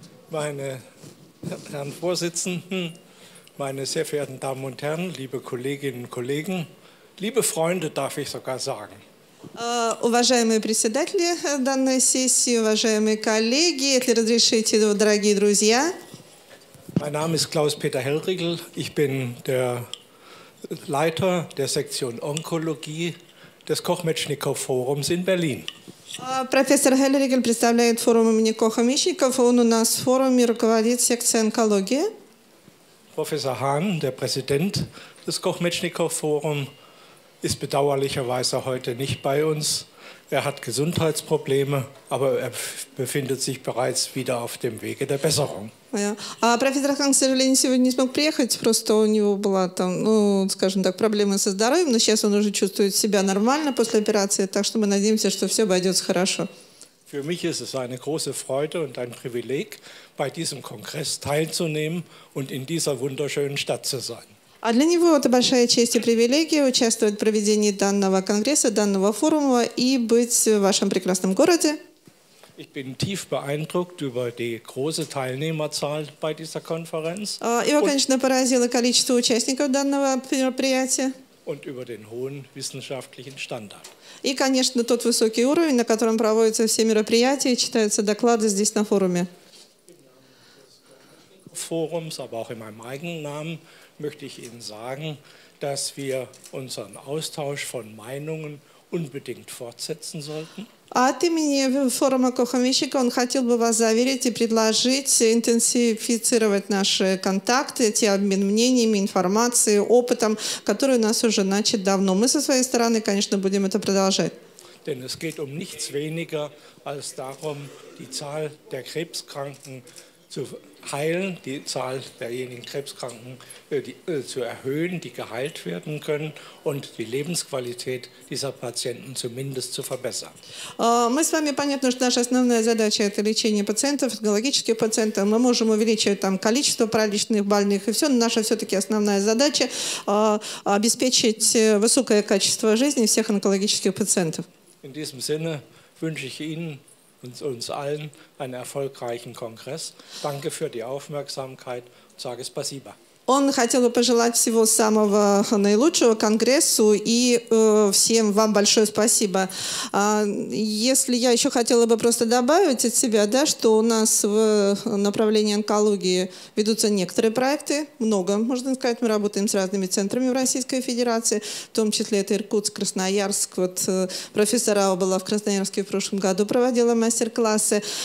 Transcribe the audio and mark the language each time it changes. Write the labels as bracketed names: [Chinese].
[German] Meine Herren Vorsitzenden, meine sehr verehrten Damen und Herren, liebe Kolleginnen und Kollegen, liebe Freunde, darf ich sogar sagen. [Russian] Уважаемые председатели данной сессии, уважаемые коллеги, если разрешите, дорогие друзья. [German] Mein Name ist Klaus-Peter Hein-Riegel. Ich bin der Leiter der Sektion Onkologie des Koch-Metschnikow-Forums in Berlin. [Russian] Профессор Хайн-Ригель представляет форум имени Коха-Мечникова. Он у нас в форуме руководит секцией онкологии. Профессор [German] Хан, der Präsident des Koch-Metschnikow-Forums, ist bedauerlicherweise heute nicht bei uns. Hat Gesundheitsprobleme, aber befindet sich bereits wieder auf dem Wege der Besserung. [Russian] А профессор Хан, к сожалению, сегодня не смог приехать, просто у него была там, ну, скажем так, проблемы со здоровьем, но сейчас он уже чувствует себя нормально после операции, так что мы надеемся, что все обойдется хорошо. [German] Für mich ist es eine große Freude und ein Privileg, bei diesem Kongress teilzunehmen und in dieser wunderschönen Stadt zu sein. [Russian] А для него это большая честь и привилегия участвовать в проведении данного конгресса, данного форума и быть в вашем прекрасном городе. [German] Ich bin tief beeindruckt über die große Teilnehmerzahl bei dieser Konferenz. [Russian] Его, конечно, поразило количество участников данного мероприятия. [German] Und über den hohen wissenschaftlichen Standard. [Russian] И, конечно, тот высокий уровень, на котором проводятся все мероприятия и читаются доклады здесь на форуме. [German] Forums, aber auch in meinem eigenen Namen möchte ich Ihnen sagen, dass wir unseren Austausch von Meinungen unbedingt fortsetzen sollten. [Russian] От имени форума Коха-Мечникова он хотел бы вас заверить и предложить интенсифицировать наши контакты, эти обмен мнениями, информацией, опытом, который у нас уже начат давно. Мы со своей стороны, конечно, будем это продолжать. [German] Denn es geht nichts weniger als darum, die Zahl der Krebskranken zu heilen, die Zahl derjenigen Krebskranken zu erhöhen, die geheilt werden können und die Lebensqualität dieser Patienten zumindest zu verbessern. [Russian] Мы с вами понятно, что наша основная задача – это лечение пациентов, онкологических пациентов. Мы можем увеличивать там количество параличных больных и все, но наша все-таки основная задача – обеспечить высокое качество жизни всех онкологических пациентов. [German] In diesem Sinne wünsche ich Ihnen uns allen einen erfolgreichen Kongress. Danke für die Aufmerksamkeit. Sage [Russian] спасибо. Он хотел бы пожелать всего самого наилучшего Конгрессу и всем вам большое спасибо. Если я еще хотела бы просто добавить от себя, да, что у нас в направлении онкологии ведутся некоторые проекты, много, можно сказать, мы работаем с разными центрами в Российской Федерации, в том числе это Иркутск, Красноярск, вот профессор Ау была в Красноярске в прошлом году, проводила мастер-классы.